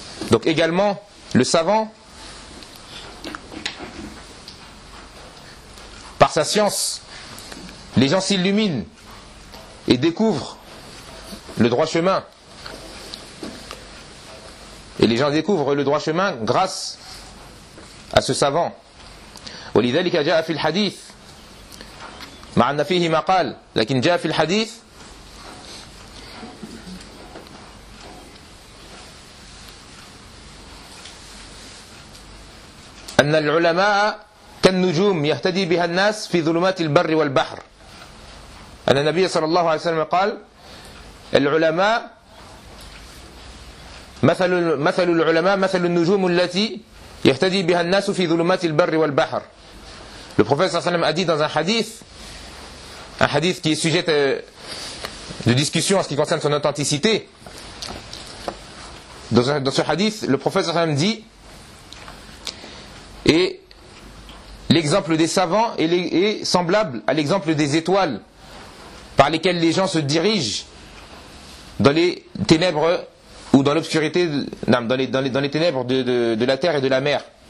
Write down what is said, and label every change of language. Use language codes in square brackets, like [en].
[fr] Donc également, le savant, par sa science, les gens s'illuminent et découvrent le droit chemin. Et les gens découvrent le droit chemin grâce à ce savant. [ar] ولذلك جاء في الحديث مع أن فيه ما قال لكن جاء في الحديث أن العلماء كالنجوم يهتدي بها الناس في ظلمات البر والبحر أن النبي صلى الله عليه وسلم قال العلماء مثل العلماء مثل النجوم التي يهتدي بها الناس في ظلمات البر والبحر. [fr] Le prophète a dit dans un hadith qui est sujet de discussion en ce qui concerne son authenticité, dans ce hadith, le prophète dit, et l'exemple des savants est semblable à l'exemple des étoiles par lesquelles les gens se dirigent dans les ténèbres ou dans l'obscurité, dans les ténèbres de la terre et de la mer.